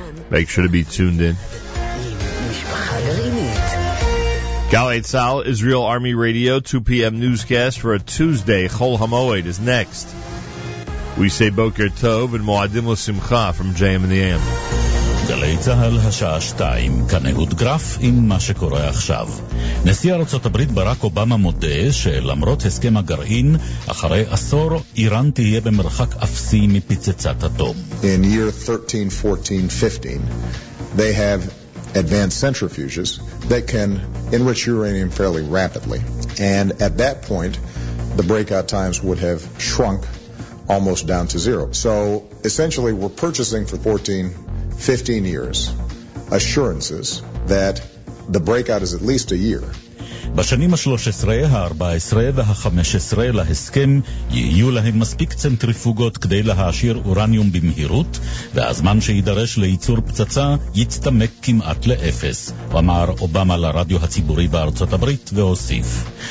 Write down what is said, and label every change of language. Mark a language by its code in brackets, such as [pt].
[en] Make sure to be tuned in. Galei Tzahal, Israel Army Radio, 2 p.m. newscast for a Tuesday. Chol HaMoed is next. We say Boker Tov and Moadim L'Simcha from JM and the AM. [he] גלי צהל השעה 2, כאן אהוד גרף עם מה שקורה עכשיו. נשיא ארצות הברית ברק אובמה מודה שלמרות הסכם הגרעין, אחרי עשור איראן תהיה במרחק אפסי מפצצת אטום. [en] In year 13, 14, 15, they have advanced centrifuges that can enrich uranium fairly rapidly. And at that point, the breakout times would have shrunk almost down to zero. So essentially, we're purchasing for 14, 15 years, assurances that the breakout is at least a year. [he] בשנים ה-13, ה-14 וה-15 להסכם יהיו להם מספיק צנטריפוגות כדי להעשיר אורניום במהירות, והזמן שידרש לייצור פצצה יצטמק כמעט לאפס, אמר אובמה לרדיו הציבורי בארצות הברית והוסיף.